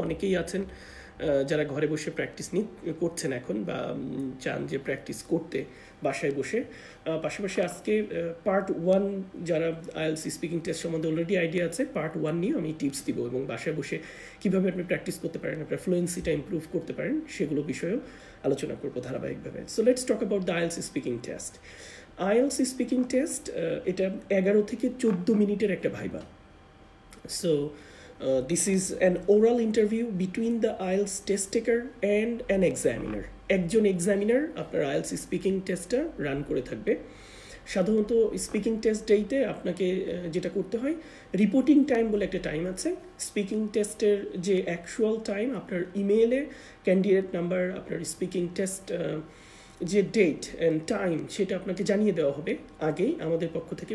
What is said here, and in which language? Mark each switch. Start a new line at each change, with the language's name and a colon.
Bangla: অনেকেই আছেন যারা ঘরে বসে প্র্যাকটিস করছেন এখন বা চান যে প্র্যাকটিস করতে বাসায় বসে, পাশাপাশি আজকে পার্ট ওয়ান যারা আইএলটিএস স্পিকিং টেস্ট সম্বন্ধে অলরেডি আইডিয়া আছে, পার্ট ওয়ান নিয়ে আমি টিপস দিব এবং বাসায় বসে কীভাবে আপনি প্র্যাকটিস করতে পারেন, আপনার ফ্লুয়েন্সিটা ইম্প্রুভ করতে পারেন, সেগুলো বিষয়েও আলোচনা করব ধারাবাহিকভাবে।
English: So let's talk about the IELTS speaking test.
Bangla: IELTS speaking test এটা 11 থেকে 14 মিনিটের একটা viva.
English: So this is an oral interview between the IELTS test taker and an examiner.
Bangla: একজন examiner আপনার IELTS speaking test রান করে থাকবে। সাধারণত speaking test ডেইতে আপনাকে যেটা করতে হয়, রিপোর্টিং টাইম বলে একটা টাইম আছে, স্পিকিং টেস্টের যে অ্যাকচুয়াল টাইম আপনার ইমেইলে ক্যান্ডিডেট নাম্বার আপনার স্পিকিং টেস্ট যে ডেট অ্যান্ড টাইম সেটা আপনাকে জানিয়ে দেওয়া হবে আগেই আমাদের পক্ষ থেকে।